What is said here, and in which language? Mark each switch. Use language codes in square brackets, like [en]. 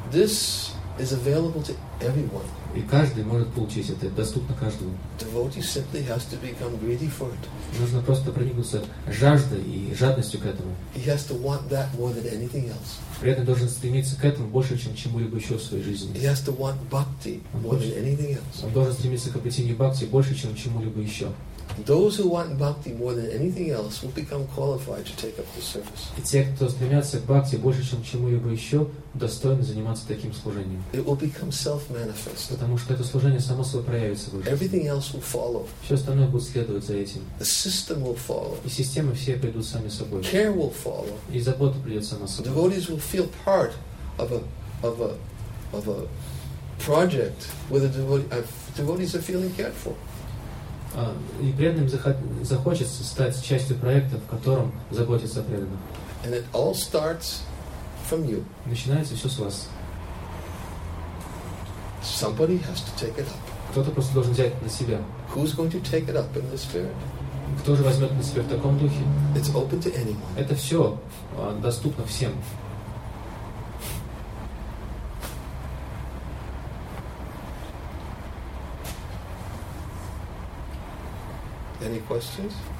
[en] This is available to everyone. [ru] И каждый может получить это, доступно каждому. [en] Devotee simply has to become greedy for it. [ru] Нужно просто проникнуться жаждой и жадностью к этому. [en] He has to want that more than anything else. [ru] Преданный должен стремиться к этому больше, чем чему-либо еще в своей жизни. [en] He has to want bhakti more than anything else. [ru] Он должен стремиться к обретению бхакти больше, чем чему-либо еще. [en] Those who want bhakti more than anything else will become qualified to take up the service. [ru] И те, кто стремятся к бхакти больше, чем чему-либо еще, достойны заниматься таким служением. [en] It will become self-manifest. [ru] Потому что это служение само собой проявится в жизни. [en] Everything else will follow. [ru] Все остальное будет следовать за этим. [en] The system will follow. [ru] И системы все придут сами собой. [en] Care will follow. [ru] И забота придет сама собой. [en] Devotees will feel part of a project where the devotees are feeling cared for. [ru] И преданным захочется стать частью проекта, в котором заботятся о преданных. [en] And it all starts from you. [ru] Начинается все с вас. [en] Somebody has to take it up. [ru] Кто-то просто должен взять на себя. [en] Who's going to take it up in the spirit? [ru] Кто же возьмет на себя в таком духе? [en] It's open to anyone. [ru] Это все доступно всем. [en] Any questions?